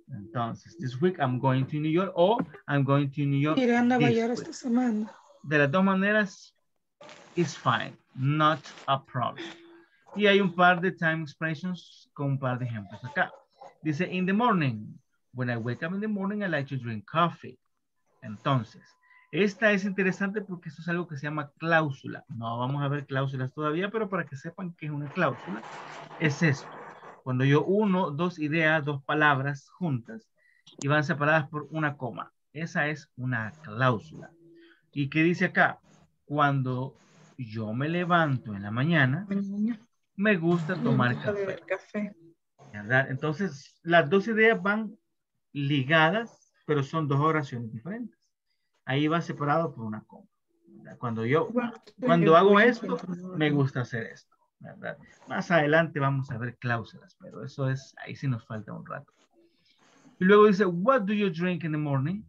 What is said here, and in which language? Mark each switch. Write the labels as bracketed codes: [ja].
[es] Entonces, [en] this week I'm going to New York o I'm going to New York. [es] Iré a Nueva York esta semana. De las dos maneras, [en] it's fine, not a problem. [es] Y hay un par de time expressions con un par de ejemplos acá. Dice, [en] in the morning, when I wake up in the morning, I like to drink coffee. [es] Entonces, esta es interesante porque esto es algo que se llama cláusula. No vamos a ver cláusulas todavía, pero para que sepan qué es una cláusula, es esto. Cuando yo uno dos ideas, dos palabras juntas y van separadas por una coma. Esa es una cláusula. ¿Y qué dice acá? Cuando yo me levanto en la mañana, me gusta tomar café. ¿Verdad? Entonces, las dos ideas van ligadas, pero son dos oraciones diferentes. Ahí va separado por una coma. ¿Verdad? Cuando hago esto, me gusta hacer esto. ¿Verdad? Más adelante vamos a ver cláusulas, pero eso es, ahí sí nos falta un rato. Y luego dice, [en] what do you drink in the morning?